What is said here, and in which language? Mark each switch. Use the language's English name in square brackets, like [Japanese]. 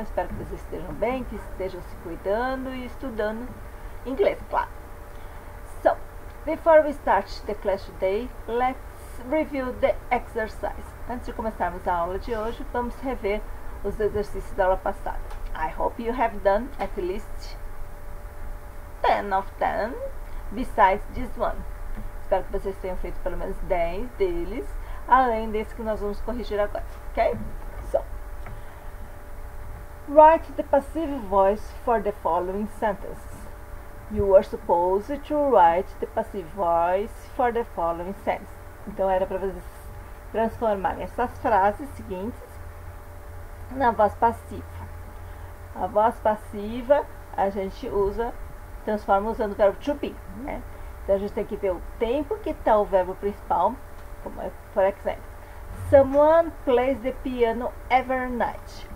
[Portuguese] Espero que vocês estejam bem, que estejam se cuidando e estudando inglês, claro. [English] So, before we start the class today, let's review the exercise. [Portuguese] Antes de começarmos a aula de hoje, vamos rever os exercícios da aula passada. [English] I hope you have done at least 10 of them, besides this one. [Portuguese] Espero que vocês tenham feito pelo menos 10 deles, além desse que nós vamos corrigir agora, ok? [English] So, write the passive voice for the following sentence. You are supposed to write the passive voice for the following sentence. [Portuguese] Então, era para vocês transformar essas frases seguintes na voz passiva. A voz passiva a gente transforma usando o verbo to be, né? Então a gente tem que ver o tempo que está o verbo principal, como é, por exemplo, [English] someone plays the piano every night.